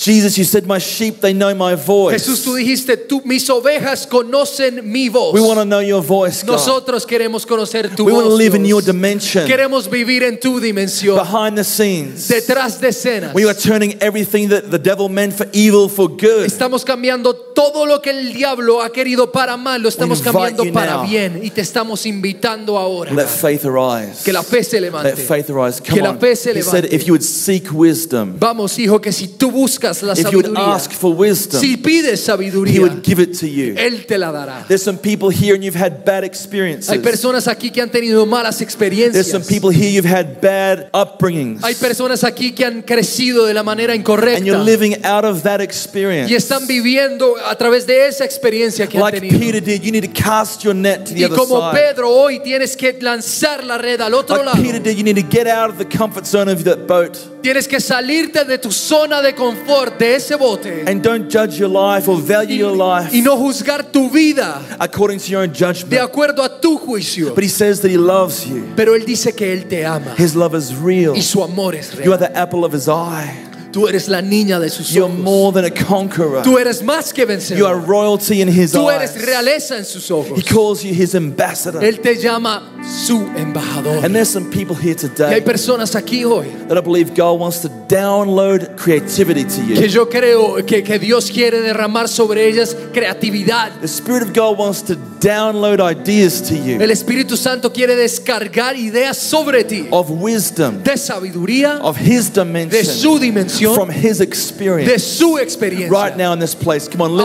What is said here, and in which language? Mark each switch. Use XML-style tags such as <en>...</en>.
<en>Jesus, you said, my sheep, they know my voice.</en> <es>Jesús, tú dijiste, mis ovejas conocen mi voz.</es> <en>We want to know your voice, God.</en> <es>Nosotros queremos conocer tu voz.</es> <en>want to live in your dimension.</en> <es>Queremos vivir en tu dimensión.</es> <en>Behind the scenes.</en> <es>Detrás de escenas.</es> <en>We are turning everything that the devil meant for evil for good.</en> <es>Estamos cambiando todo lo que el diablo ha querido para mal, lo estamos cambiando para bien y te estamos invitando ahora.</es> <en>Let faith arise.</en> <es>Que la fe se levante.</es> <en>Let faith arise. Come</en> <es>que la fe se</es> <en>on.</en> <es>Levante.</es> <en>He said, if you would seek wisdom,</en> <es>vamos, hijo, que si tú buscas la</es> <en>if</en> <es>sabiduría,</es> <en>you would ask for wisdom,</en> <es>si pides sabiduría,</es> <en>he would give it to you.</en> <es>Él te la dará.</es> <en>There's some people here and you've had bad experiences.</en> <es>Hay personas aquí que han tenido malas experiencias.</es> <en>There's some people here you've had bad upbringings.</en> <es>Hay personas aquí que han crecido de la manera incorrecta.</es> <en>And you're living out of that experience.</en> <es>Y están viviendo a través de esa experiencia que</es> <en>like Peter did, you need to cast your net to the other side.</en> <es>Y como Pedro hoy tienes que lanzar la red al otro lado.</es> <en>Like Peter did, you need to get out of the comfort zone of that boat.</en> <es>Tienes que salirte de tu zona de confort, de ese bote.</es> <en>And don't judge your life or value your life.</en> <es>Y no juzgar tu vida.</es> <en>According to your own judgment.</en> <es>De acuerdo a tu juicio.</es> <en>But he says that he loves you.</en> <es>Pero él dice que él te ama.</es> <en>His love is real.</en> <es>Y su amor es real.</es> <en>You are the apple of his eye.</en> <es>Tú eres la niña de sus ojos.</es> <en>You're more than a conqueror.</en> <es>Tú eres más que vencedor.</es> <en>You are royalty in his eyes.</en> <es>Tú eres</es> <en>eyes.</en> <es>Realeza en sus ojos.</es> <en>He calls you his ambassador.</en> <es>Él te llama su embajador.</es> <en>And there's some people here today.</en> <es>Y hay personas aquí hoy.</es> <en>That I believe God wants to download creativity to you.</en> <es>Que yo creo que Dios quiere derramar sobre ellas creatividad.</es> <en>The Spirit of God wants to download ideas to you.</en> <es>El Espíritu Santo quiere descargar ideas sobre ti.</es> <en>Of wisdom.</en> <es>De sabiduría.</es> <en>Of his dimension.</en> <es>De su dimensión.</es> <en>From his experience,</en> <es>de su experiencia.</es> <en>Right now in this place, come on, lift</en>